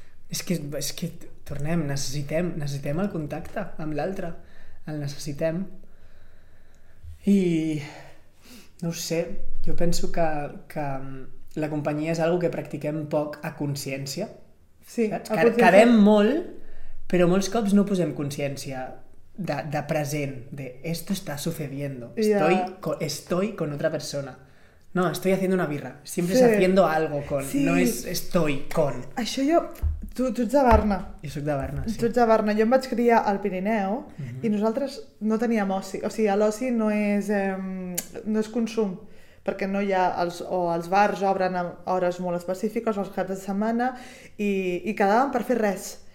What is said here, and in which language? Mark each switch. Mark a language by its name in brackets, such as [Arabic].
[Catalan] És que tornem, necessitem el contacte amb l'altre. El necessitem. I no ho sé, jo penso que la companyia és algo que practiquem poc a consciència. Sí, consciència. Quedem molt, però molts cops no posem consciència de present, de [Spanish] esto está sucediendo, estoy con otra persona, no, estoy haciendo una birra, siempre sí. Es haciendo algo con, sí. No es estoy con. [Catalan] Això jo, tu ets de Barna. Jo soc de Barna, sí. Tu ets de Barna, jo em vaig criar al Pirineu, i nosaltres no teníem oci, o sigui, l'oci no és no és consum, perquè no hi ha, els bars obren a hores molt específiques, els caps de setmana, i quedàvem per fer res.